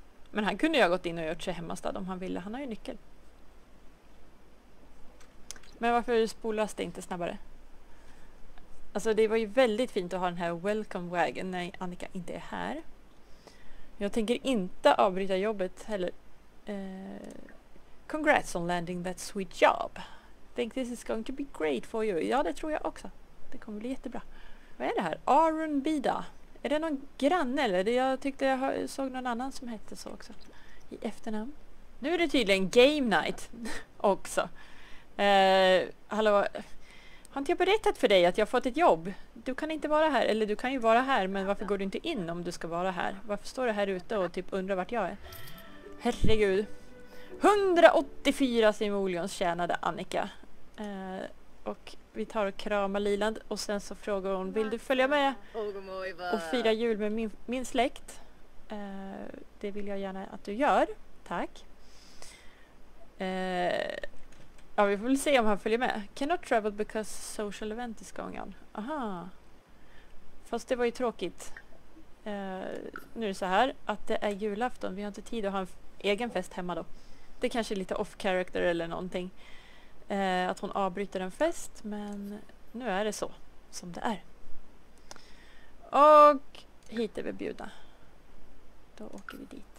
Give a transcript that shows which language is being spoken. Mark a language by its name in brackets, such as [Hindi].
[Swedish] Men han kunde ju ha gått in och gjort sig hemmastad om han ville. Han har ju nyckel. Men varför spolas det inte snabbare? Alltså det var ju väldigt fint att ha den här welcome wagon när Annika inte är här. Jag tänker inte avbryta jobbet heller. [English] Congrats on landing that sweet job. Think this is going to be great for you. [Swedish] Ja, det tror jag också. Det kommer bli jättebra. Vad är det här? Aaron Bida. Är det någon granne eller? Jag tyckte jag såg någon annan som hette så också. I efternamn. Nu är det tydligen game night också. Hallå. Har inte jag berättat för dig att jag har fått ett jobb? Du kan inte vara här. Eller du kan ju vara här, men varför går du inte in om du ska vara här? Varför står du här ute och typ undrar vart jag är? Herregud. 184 simoleons tjänade Annika. Och vi tar och kramar Liland. Och sen så frågar hon, vill du följa med och fira jul med min släkt? Det vill jag gärna att du gör. Tack. Ja, vi får väl se om han följer med. [English] Cannot travel because social event is going on. [Swedish] Aha. Fast det var ju tråkigt. Nu är det så här att det är julafton. Vi har inte tid att ha en egen fest hemma då. Det kanske är lite off-character eller någonting. Att hon avbryter en fest. Men nu är det så som det är. Och hit är vi bjudna. Då åker vi dit.